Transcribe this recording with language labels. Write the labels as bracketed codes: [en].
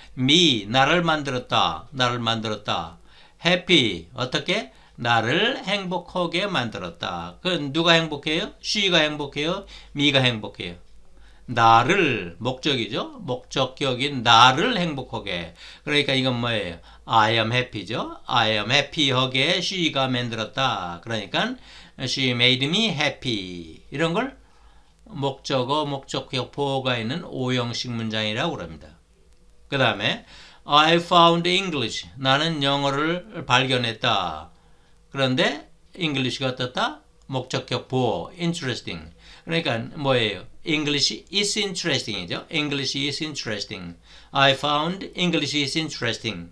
[ko] me, 나를 만들었다. 나를 만들었다. happy, 어떻게? 나를 행복하게 만들었다. 그건 누가 행복해요? She가 행복해요? Me가 행복해요? 나를, 목적이죠? 목적격인 나를 행복하게. 그러니까 이건 뭐예요? [en] I am happy [ko] 죠? [en] I am happy하게 She가 [ko] 만들었다. 그러니까 [en] She made me happy. [ko] 이런 걸 목적어, 목적격 보호가 있는 5형식 문장이라고 그럽니다. 그 다음에 [en] I found English. [ko] 나는 영어를 발견했다. 그런데 English가 어떻다? 목적격 보어, interesting. 그러니까 뭐예요? [en] English is interesting [ko] 이죠. [en] English is interesting. I found English is interesting.